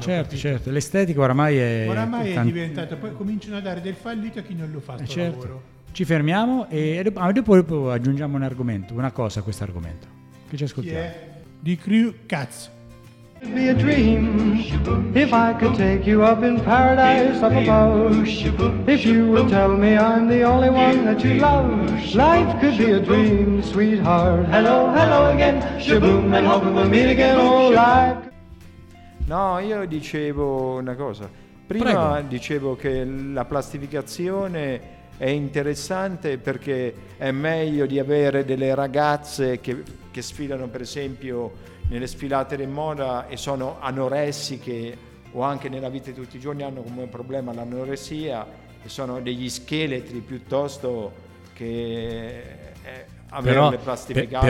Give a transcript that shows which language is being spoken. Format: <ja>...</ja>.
<it>Certo, l'estetica oramai è diventata, poi cominciano a dare del fallito a chi non lo fa. Lavoro. Ci fermiamo e dopo aggiungiamo un argomento, una cosa a questo argomento. Che ci ascoltiamo? Chi è? Di Crew Cats.</it> <en>It'd be a dream if I could take you up in paradise up above. If you would tell me I'm the only one that you love. Life could be a dream, sweetheart. Hello, hello again. Shaboom, and hope we'll meet again. Oh, life.</en> <it>No, io dicevo una cosa. Prima dicevo che la plastificazione è interessante perché è meglio di avere delle ragazze che sfilano, per esempio, nelle sfilate di moda e sono anoressiche, o anche nella vita di tutti i giorni hanno come problema l'anoressia e sono degli scheletri piuttosto che averle plastificate.</it>